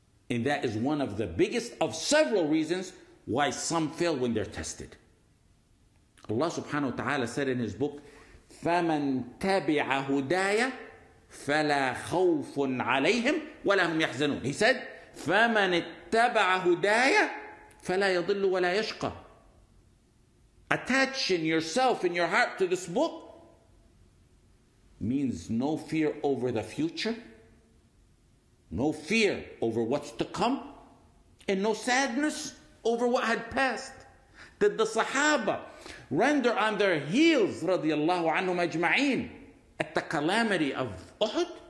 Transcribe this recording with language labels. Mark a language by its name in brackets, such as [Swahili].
[English] And that is one of the biggest of several reasons why some fail when they're tested. [Arabic] Allah subhanahu wa ta'ala [English] said in his book, [Arabic] فَمَنْ تَبِعَ هُدَايَ فَلَا خَوْفٌ عَلَيْهِمْ وَلَا هُمْ يَحْزَنُونَ. [English] He said, [Arabic] فَمَنْ تَبِعَ هُدَايَ فَلَا يَضِلُّ وَلَا يَشْقَى. [English] Attaching yourself and your heart to this book means no fear over the future, no fear over what's to come, and no sadness over what had passed. Did the Sahaba render on their heels, [Arabic] radiallahu anhum ajma'een, [English] at the calamity of Uhud?